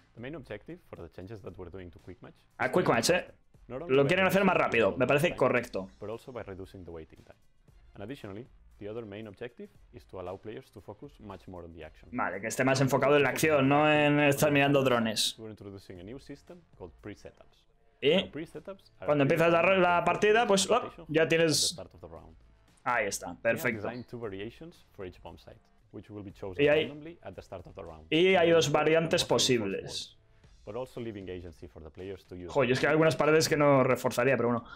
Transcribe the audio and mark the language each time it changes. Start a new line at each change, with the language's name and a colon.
English: The main objective for the changes that we're doing to Quick Match.
Spanish: A Quick Match, ¿eh? Lo quieren hacer más rápido, me parece correcto.
English: Pero also by reducing the waiting time. And additionally, the other main objective is to allow players to focus much more on the action.
Spanish: Vale, que esté más enfocado en la acción, no en estar mirando drones.
English: We're introducing a new system called pre-setups.
Spanish: Y cuando empiezas la partida, pues oh, ya tienes. Ahí está, perfecto.
English: We designed two variations for each bomb site, which will be chosen randomly at the start of the round.
Spanish: Y hay dos variantes posibles.
English: But also leaving agency for the players to use.
Spanish: Joder, es que hay algunas paredes que no reforzaría, pero bueno.